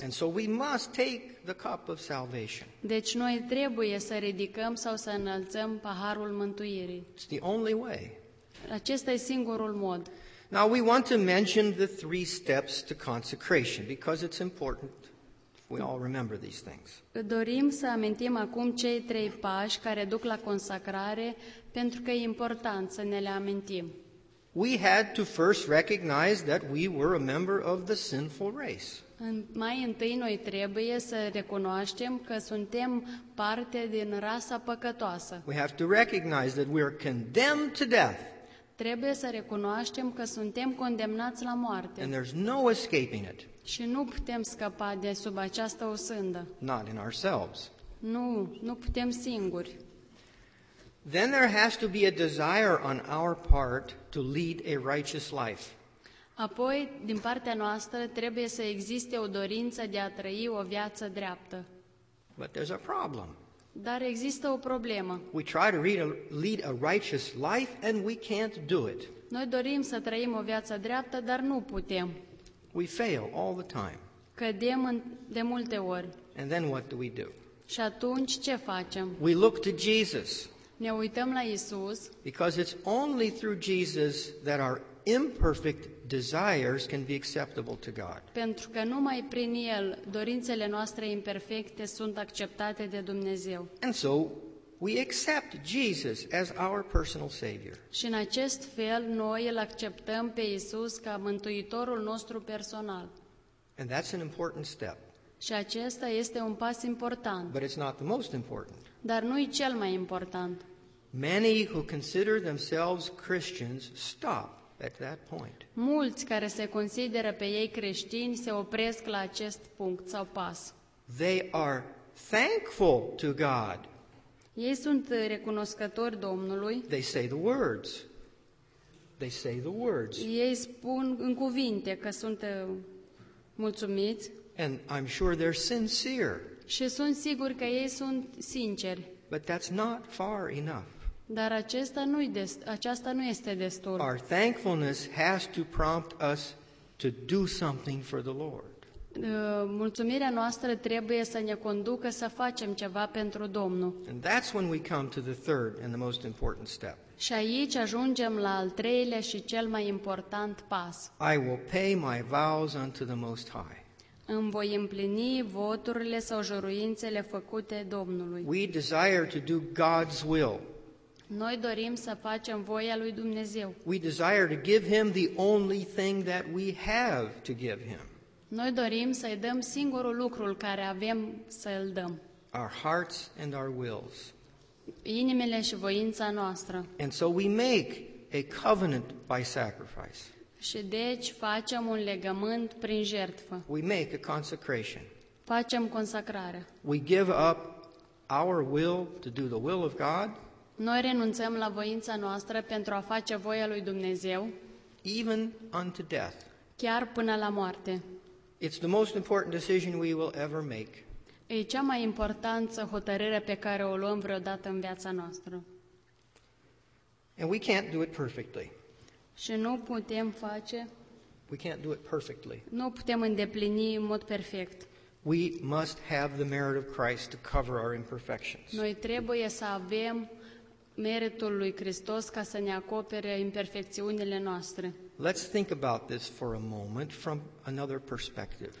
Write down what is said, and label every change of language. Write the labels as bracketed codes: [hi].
[en] And so we must take the cup of salvation. [ro] Deci noi trebuie să ridicăm sau să înălțăm paharul mântuirii. [en] It's the only way. [ro] Acesta e singurul mod. [en] Now we want to mention the three steps to consecration because it's important. We all remember these things. [ro] Dorim să amintim acum cei trei pași care duc la consacrare pentru că e important să ne le amintim. [en] We had to first recognize that we were a member of the sinful race. [ro] Mai întâi noi trebuie să recunoaștem că suntem parte din rasa păcătoasă. [en] We have to recognize that we are condemned to death. [ro] Trebuie să recunoaștem că suntem condemnați la moarte. [en] And there's no escaping it. [ro] Și nu putem scăpa de sub această osândă. [en] Not in ourselves. [ro] Nu putem singuri. [en] Then there has to be a desire on our part to lead a righteous life. [ro] Apoi, din partea noastră, trebuie să existe o dorință de a trăi o viață dreaptă. [en] But there's a problem. [ro] Dar există o problemă. [en] We try to lead a righteous life and we can't do it. [ro] Noi dorim să trăim o viață dreaptă, dar nu putem. [en] We fail all the time. [ro] Cădem de multe ori. [en] And then what do we do? [ro] Și atunci ce facem? [en] We look to Jesus. [ro] Ne uităm la Isus. [en] Because it's only through Jesus that our imperfect desires can be acceptable to God. [ro] Pentru că numai prin El dorințele noastre imperfecte sunt acceptate de Dumnezeu. [en] And so we accept Jesus as our personal savior. [ro] Și în acest fel noi îl acceptăm pe Isus ca mântuitorul nostru personal. [en] And that's an important step. [ro] Și acesta este un pas important. [en] But it's not the most important. [ro] Dar nu e cel mai important. [en] Many who consider themselves Christians stop at that point. [ro] Mulți care se consideră pe ei creștini se opresc la acest punct sau pas. [en] They are thankful to God. [ro] Ei sunt recunoscători Domnului. [en] They say the words. They say the words. [ro] Ei spun în cuvinte că sunt mulțumiți. [en] And I'm sure they're sincere. [ro] Și sunt sigur că ei sunt sinceri. [en] But that's not far enough. [ro] Dar aceasta nu este destul. [en] Our thankfulness has to prompt us to do something for the Lord. [ro] Mulțumirea noastră trebuie să ne conducă să facem ceva pentru Domnul. [en] And that's when we come to the third and the most important step. [ro] Și aici ajungem la al treilea și cel mai important pas. [en] I will pay my vows unto the Most High. [ro] Îmi voi împlini voturile sau juruințele făcute Domnului. [en] We desire to do God's will. [ro] Noi dorim să facem voia lui Dumnezeu. [en] We desire to give him the only thing that we have to give him. [ro] Noi dorim să-i dăm singurul lucru care avem să-l dăm. [en] Our hearts and our wills. [ro] Inimile și voința noastră. [en] And so we make a covenant by sacrifice. [ro] Și deci facem un legământ prin jertfă. [en] We make a consecration. [ro] Facem consacrare. [en] We give up our will to do the will of God. [ro] Noi renunțăm la voința noastră pentru a face voia lui Dumnezeu. [en] Even unto death. [ro] Chiar până la moarte. [en] It's the most important decision we will ever make. [ro] E cea mai importantă hotărâre pe care o luăm vreodată în viața noastră. [en] And we can't do it perfectly. [ro] Și nu putem face. [en] We can't do it perfectly. [ro] Nu putem îndeplini în mod perfect. [en] We must have the merit of Christ to cover our imperfections. [ro] Noi trebuie să avem meritul lui Hristos ca să ne acopere imperfecțiunile noastre. [en] Let's think about this for a moment from another perspective.